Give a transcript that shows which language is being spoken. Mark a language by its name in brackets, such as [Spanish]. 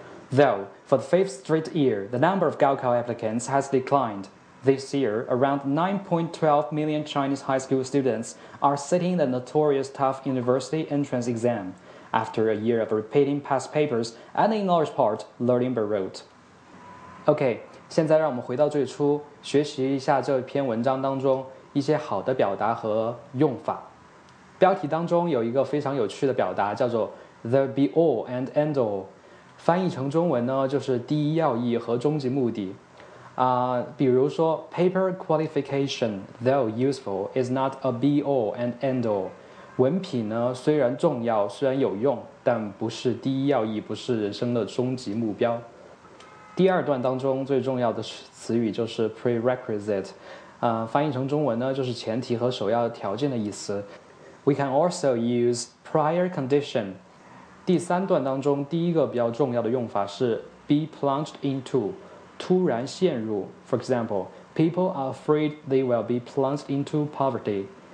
[English] Though, for the 5th straight year, the number of Gaokao applicants has declined. This year, around 9.12 million Chinese high school students are sitting the notorious tough university entrance exam, after a year of repeating past papers and in large part, learning by rote. [Chinese] Okay, 现在让我们回到最初，学习一下这篇文章当中一些好的表达和用法。标题当中有一个非常有趣的表达，叫做 [English] the be all and end all。 [Chinese] 翻译成中文呢，就是第一要义和终极目的。比如说 [English] paper qualification, though useful, is not a be-all and end-all. [Chinese] 文凭呢虽然重要虽然有用但不是第一要义不是人生的终极目标。第二段当中最重要的词语就是 prerequisite, 翻译成中文呢就是前提和首要条件的意思。 [English] We can also use prior condition. [Chinese] 第三段当中第一个比较重要的用法是 [English] be plunged into, [Chinese] 突然陷入 [English] For example, people are afraid they will be plunged into poverty.